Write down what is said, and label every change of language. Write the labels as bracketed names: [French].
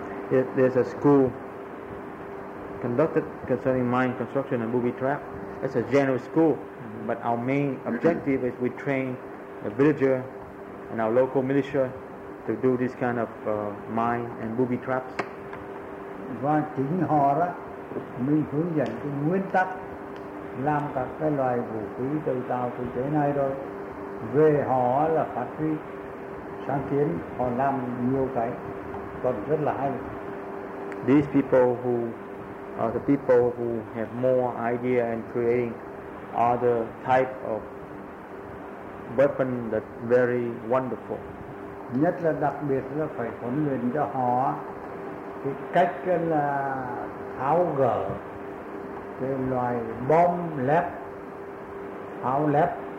[English] There's a school conducted concerning mine construction and booby trap. It's a general school, but our main objective is we train the villager and our local militia to do this kind of mine and booby traps. [Vietnamese] Và chính họ đó mình hướng dẫn cái nguyên tắc làm các cái loại vũ khí tự tạo tự chế này rồi về họ là phát huy sáng kiến, họ làm nhiều cái còn rất là hay. [English] These people who are the people who have more idea in creating other type of weapon that very wonderful. [Vietnamese] Nhất là đặc biệt là phải huấn luyện cho họ cái cách là tháo gỡ cái loại bom lép, pháo lép